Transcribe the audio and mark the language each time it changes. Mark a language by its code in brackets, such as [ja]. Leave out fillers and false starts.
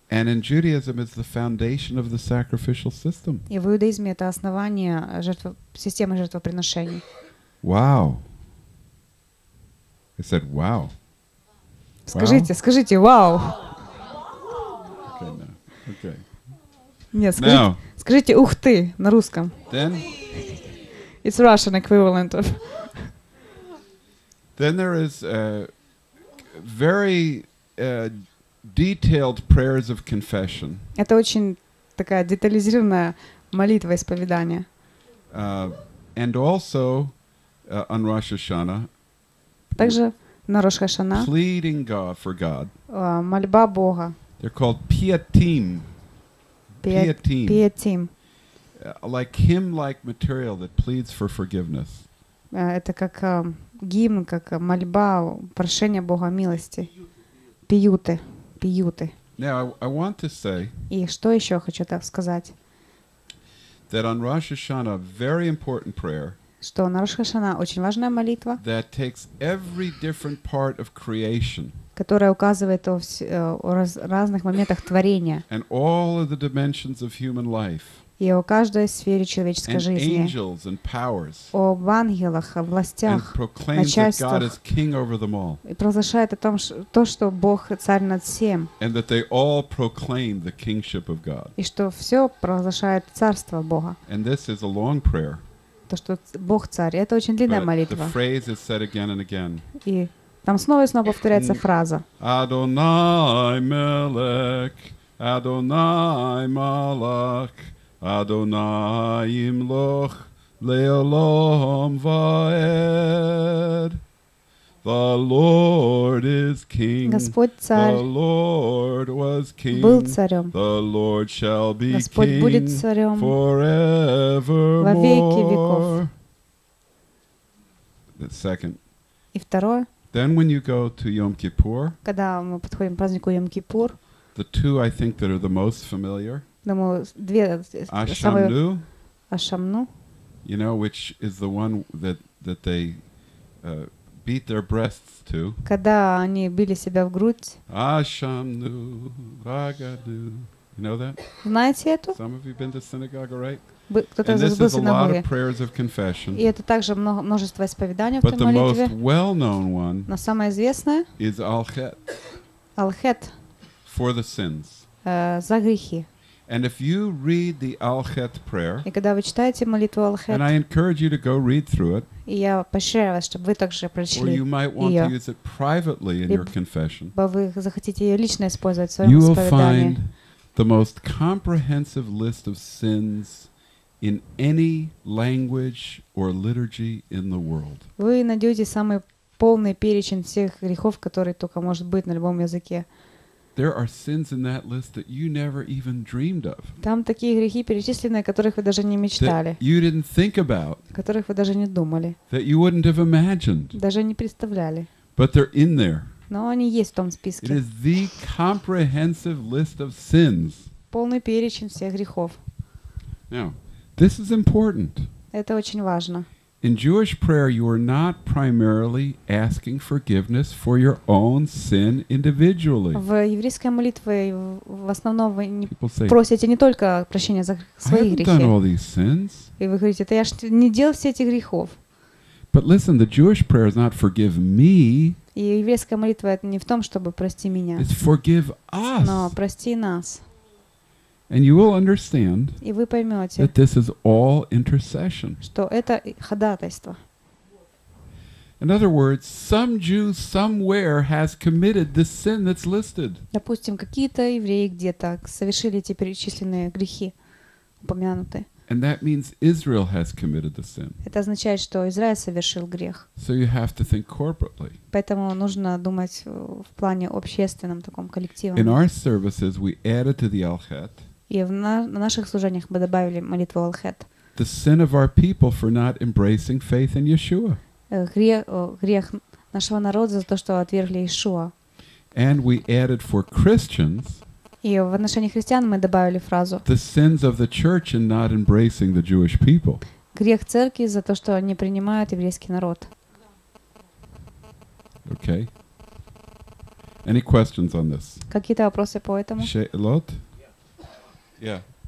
[en] And in Judaism, it's the foundation of the sacrificial system. [ru] И в иудаизме это основание системы жертвоприношений. [en] Wow. I said, wow. [ru] Скажите, wow. [en] Okay, no. Okay. [ru] Нет, скажите ух ты на русском. [en] Then, it's Russian equivalent of. Then there is very detailed prayers of confession. [ru] Это очень такая детализированная молитва исповедания. [en] And also on Rosh Hashanah. [ru] Также на Рош Хашана. [en] Pleading God for God. [ru] Мольба Бога. [en] They're called Piyatim. Piyatim. Like hymn-like material that pleads for forgiveness. [ru] Это как гимн, как мольба, прошение Бога милости. Пиюты. Пиюты. [en] Now, I want to say, [ru] и что еще хочу так сказать? [en] That on Rosh Hashanah, very important prayer, [ru] что на Рош Хашана очень важная молитва, [en] that takes every different part of creation, [ru] которая указывает о разных моментах творения, [en] and all of the dimensions of human life, [ru] и о каждой сфере человеческой [en] and [ru] жизни, [en] angels and powers, [ru] об ангелах, о властях, начальствах, и провозглашает о том, что Бог царь над всем, [en] and that they all proclaim the kingship of God, [ru] и что все провозглашает царство Бога. [en] And this is a long prayer. [ru] То, что Бог царь. Это очень длинная [en] But [ru] молитва. [en] The phrase is said again and again. [ru] И там снова и снова повторяется фраза. [he] Adonai Melech, Adonai Malach, Adonai Imloch, Le'olam Va'ed. [en] The Lord is King. [ru] Господь царь. [en] The Lord was King. [ru] Был царем. [en] The Lord shall be [ru] Господь [en] King. [ru] Господь будет царем. [en] Forevermore. [ru] Во веки веков. [en] The second. [ru] И второе. [en] Then when you go to Yom Kippur. [ru] Когда мы подходим к празднику Йом Кипур. [en] The two I think that are the most familiar. [ru] Думаю, две самые. [he] Ашамну. [en] You know which is the one that they. Beat their breasts to. [ru] Когда они били себя в грудь. [he] Ашамну, вагаду. [en] You know that? [ru] Знаете эту? [en] Some of you have been to synagogue, right? [ru] Кто-то [en] And this [ru] был [en] is a lot of prayers of confession. [ru] И это также множество исповеданий в [en] But [ru] той молитве. [en] But the most well-known one. [ru] Но самое известное. [en] Is Al-Het. Al-Het. For the sins. [ru] За грехи. [en] And if you read the Al-Het prayer. [ru] И когда вы читаете молитву Al-Het. [en] And I encourage you to go read through it. [ru] И я поощряю вас, чтобы вы также прочли ее. Либо вы захотите ее лично использовать в своем исповедании. [en] You will find the most comprehensive list of sins in any language or liturgy in the world. [ru] Вы найдете самый полный перечень всех грехов, который только может быть на любом языке. [en] There are sins in that list that you never even dreamed of. [ru] Там такие грехи перечислены, о которых вы даже не мечтали. [en] That you didn't think about. [ru] О которых вы даже не думали. [en] That you wouldn't have imagined. [ru] Даже не представляли. [en] But they're in there. [ru] Но они есть в том списке. [en] It is the comprehensive list of sins. [ru] Полный перечень всех грехов. [en] Now, this is important. [ru] Это очень важно. [en] In Jewish prayer, you are not primarily asking forgiveness for your own sin individually. [ru] В еврейской молитве в основном вы не просите не только прощения за свои грехи. [en] I haven't done all these sins. [ru] И вы говорите, я ж не делал все эти грехов. [en] But listen, the Jewish prayer is not forgive me. [ru] И еврейская молитва это не в том, чтобы прости меня. [en] It's forgive us. [ru] Но прости нас. [en] And you will understand [ru] и вы поймете, [en] that this is all intercession. [ru] Что это ходатайство. [en] In other words, some Jew somewhere has committed the sin that's listed. [ru] Допустим, какие-то евреи где-то совершили эти перечисленные грехи, упомянутые. [en] And that means Israel has committed the sin. [ru] Это означает, что Израиль совершил грех. [en] So you have to think corporately. [ru] Поэтому нужно думать в плане общественном таком коллективном. [en] In our services we added to the Al-Het. [ru] И в наших служениях мы добавили молитву Al-Het. [en] The sin of our people for not embracing faith in Yeshua. [ru] Грех нашего народа за то, что отвергли Иешуа. [en] And we added for Christians. [ru] И в отношении христиан мы добавили фразу. [en] The sins of the church in not embracing the Jewish people. [ru] Грех церкви за то, что не принимают еврейский народ. [en] Okay. Any questions on this? [ru] Какие-то вопросы по этому? [he] Шеэлот? [en] Yeah.